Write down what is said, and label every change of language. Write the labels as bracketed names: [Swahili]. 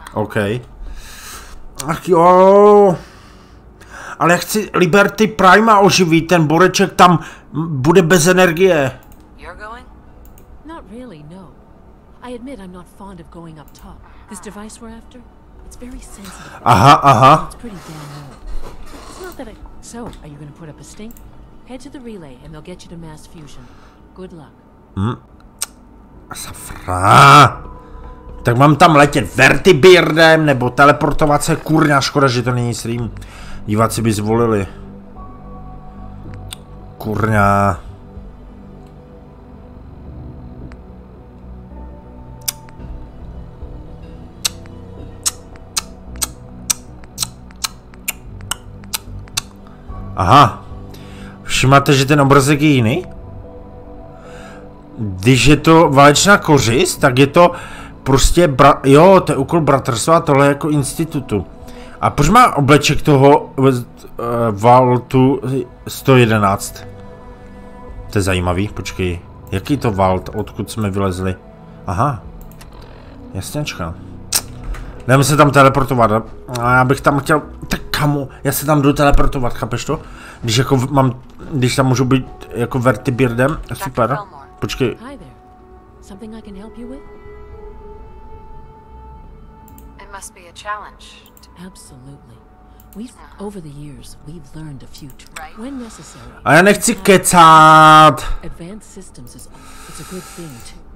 [Czech] Okay. Ach jo. Ale já chci Liberty Prima oživit, ten boreček tam bude bez energie. [English] You're going? Not really, no. I admit I'm not fond of going up top. This device we're after, it's very sensitive. Aha, aha. It's pretty damn old. It's not that I... So, are you going to put up a stink? Head to the relay and they'll get you to mass fusion. Good luck. Safra. [Czech] Tak mám tam letět Vertibirdem nebo teleportovat se, kurňa, škoda, že to není stream. Diváci by zvolili. Kurňa. Aha. všimáte, že ten obrazek je jiný? Když je to válečná kořist, tak je to prostě jo, to je úkol bratrstva, tohle je jako institutu. A proč má obleček toho Valtu 111? To je zajímavý, počkej. Jaký to Valt, odkud jsme vylezli? Aha. Jasněčka. Nemám se tam teleportovat, a já bych tam chtěl, tak kamu, já se tam jdu teleportovat, chápeš to? Když jako mám, když tam můžu být jako Vertibirdem, super. Počkej. [English] Hi there. Something I can help you with? It must be a challenge. Absolutely. We've over the years we've learned a few tricks. Right. When necessary. [Czech] A já nechci kecat. [English] Advanced systems is it's a good thing too.